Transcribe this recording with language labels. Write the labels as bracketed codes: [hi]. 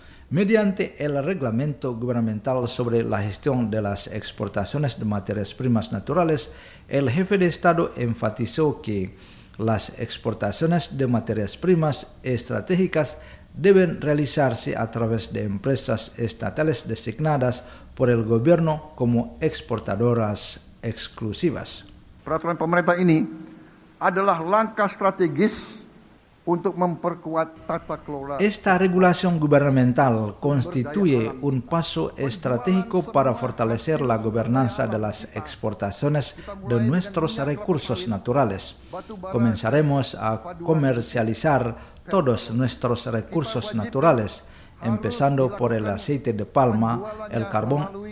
[es] Mediante el Reglamento Gubernamental sobre la Gestión de las Exportaciones de Materias Primas Naturales, el jefe de Estado enfatizó que las exportaciones de materias primas estratégicas deben realizarse a través de empresas estatales designadas por el gobierno como exportadoras exclusivas. [id] Peraturan pemerintah ini adalah langkah strategis untuk memperkuat tata kelola. [es] Esta regulación gubernamental constituye un paso estratégico para fortalecer la gobernanza de las exportaciones de nuestros recursos naturales. Comenzaremos a comercializar todos nuestros recursos naturales, empezando por el aceite de palma, el carbón.